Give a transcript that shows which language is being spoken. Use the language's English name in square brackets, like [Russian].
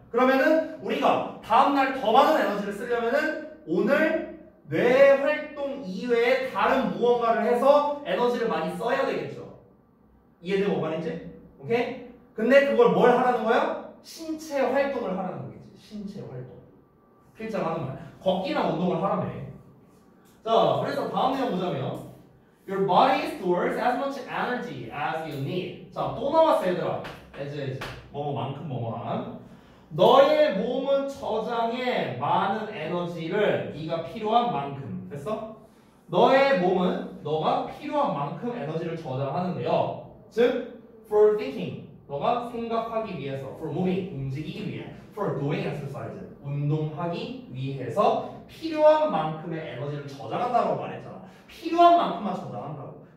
[Korean] 그러면은 우리가 다음날 더 많은 에너지를 쓰려면은 오늘 뇌 활동 이외에 다른 무언가를 해서 에너지를 많이 써야 되겠죠. 이해되고 말인지? 오케이? 근데 그걸 뭘 하라는 거야? 신체 활동을 하라는 거겠지. 신체 활동. 필자가 하는 말. 걷기나 운동을 하라며. 자, 그래서 다음 내용 보자면, [English] Your body stores as much energy as you need. [Korean] 자, 또 나왔어, 얘들아. 이제 뭐만큼 뭐만. 너의 몸은 저장해 많은 에너지를 네가 필요한 만큼. 됐어? 너의 몸은 너가 필요한 만큼 에너지를 저장하는데요. 즉, [English] for thinking, [Korean] 너가 생각하기 위해서, [English] for moving, [Korean] 움직이기 위해, [English] for doing exercise, [Korean] 운동하기 위해서 필요한 만큼의 에너지를 저장한다고 말했잖아. 필요한 만큼만 저장한다고.